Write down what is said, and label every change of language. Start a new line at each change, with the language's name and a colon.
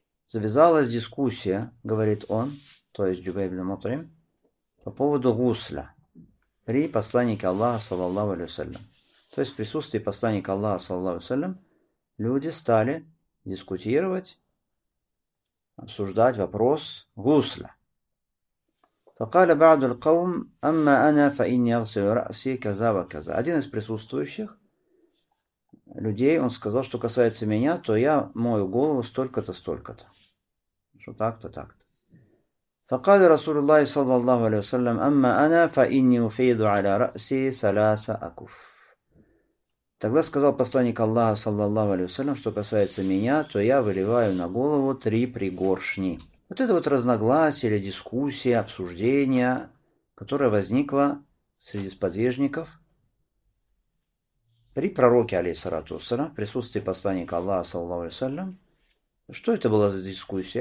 Russian: Завязалась дискуссия, говорит он, то есть Джубейр ибн Мутайм, по поводу гусля при посланнике Аллаха саллаллаху алейхи ва саллям. То есть в присутствии посланника Аллаха саллаллаху алейхи ва саллям люди стали дискутировать, обсуждать вопрос гусля.
Arabic: فقال بعض القوم اما انا فاني اغسل راسي كذا وكذا.
Russian: Один из присутствующих людей, он сказал, что касается меня, то я мою голову столько-то, столько-то. Что так-то, так-то.
Arabic: فقال رسول الله صلى الله عليه وسلم اما انا فاني افيض على راسي ثلاثه اكف.
Russian: Тогда сказал посланник Аллаха
Arabic: صلى الله عليه وسلم,
Russian: что касается меня, то я выливаю на голову три пригоршни. Вот это вот разногласие или дискуссия, обсуждение, которое возникло среди сподвижников при пророке, алейхиссалату вассалям, в присутствии посланника Аллаха, саллаллаху алейхи вассалям, что это была за дискуссия?